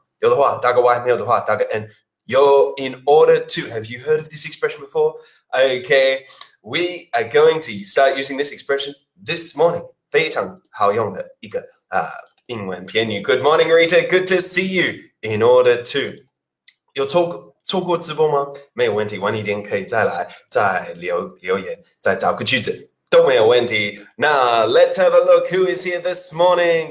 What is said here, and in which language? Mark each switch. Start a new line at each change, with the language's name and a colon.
Chinese: 有的话打个 Y， 没有的话打个 N。
English: You're in order to. Have you heard of this expression before? Okay, we are going to start using this expression this morning.
Chinese: 非常好用的一个英文片语。
English: Good morning, Rita. Good to see you. In order to.
Chinese: 有错过直播吗？没有问题，晚一点可以再来，再留言，再找个句子。都没有问题。
English: Now, let's have a look who is here this morning.